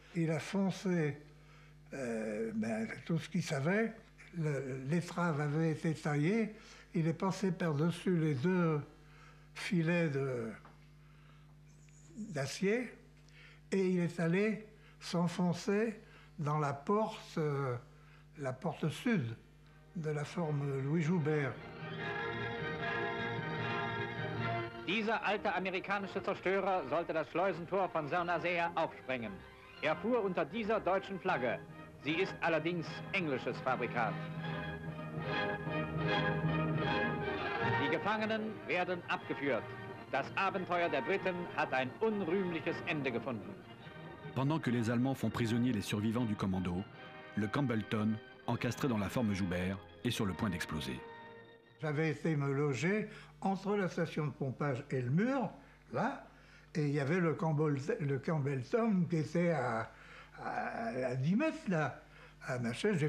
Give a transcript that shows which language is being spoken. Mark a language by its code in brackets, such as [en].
[fr] Il a foncé tout ce qu'il savait, l'étrave avait été taillée, il est passé par-dessus les deux filets d'acier et il est allé s'enfoncer dans la porte sud de la forme Louis Joubert. [de] Dieser alte amerikanische Zerstörer sollte das Schleusentor von Saint-Nazaire aufsprengen. Er fuhr unter dieser deutschen Flagge. Sie ist allerdings englisches Fabrikat. Die Gefangenen werden abgeführt. Das Abenteuer der Briten hat ein unrühmliches Ende gefunden. [fr] Pendant que les Allemands font prisonnier les survivants du commando, le Campbellton, encastré dans la forme Joubert, est sur le point d'exploser. J'avais été me loger entre la station de pompage et le mur, là, et il y avait le Campbellton qui était à 10 mètres, là, à ma chaise.